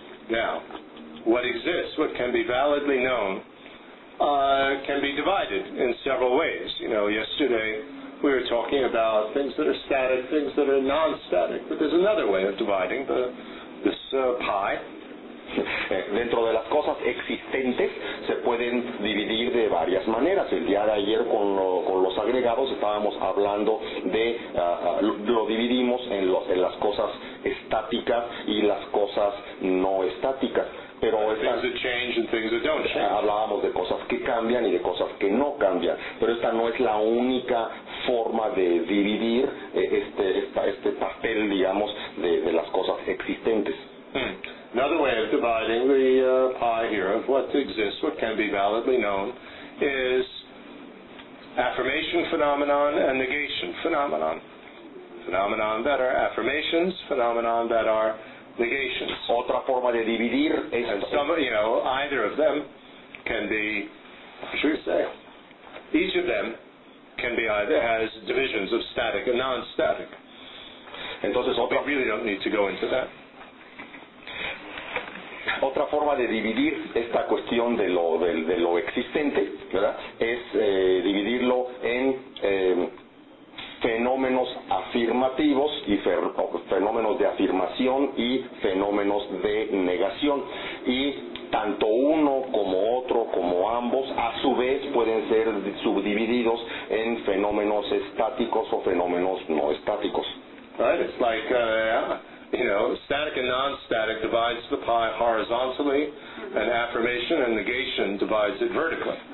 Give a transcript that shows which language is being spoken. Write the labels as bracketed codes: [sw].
[en] Now, what exists, what can be validly known, can be divided in several ways. You know, yesterday we were talking about things that are static, things that are non-static, but there's another way of dividing this pie. [es] Dentro de las cosas existentes se pueden dividir de varias maneras. El día de ayer con los agregados estábamos hablando de lo dividimos en las cosas estáticas y las cosas no estáticas. Pero hablábamos de cosas que cambian y de cosas que no cambian. Pero esta no es la única forma de dividir este papel, digamos, de las cosas existentes. [en] Another way of dividing the pie here of what exists, what can be validly known, is affirmation phenomenon and negation phenomenon. Phenomenon that are affirmations, phenomenon that are negations. [es] Otra forma de dividir es... [en] And some, you know, either of them can be, what should we say, each of them can be either, has divisions of static and non-static. [es] Entonces, [en] we really don't need to go into that. [es] Otra forma de dividir esta cuestión de lo existente, ¿verdad? Es dividirlo en fenómenos afirmativos y fenómenos de afirmación y fenómenos de negación. Y tanto uno como otro, como ambos, a su vez pueden ser subdivididos en fenómenos estáticos o fenómenos no estáticos. [en] Right, it's like, you know, static and non-static divides the pie horizontally, and affirmation and negation divides it vertically.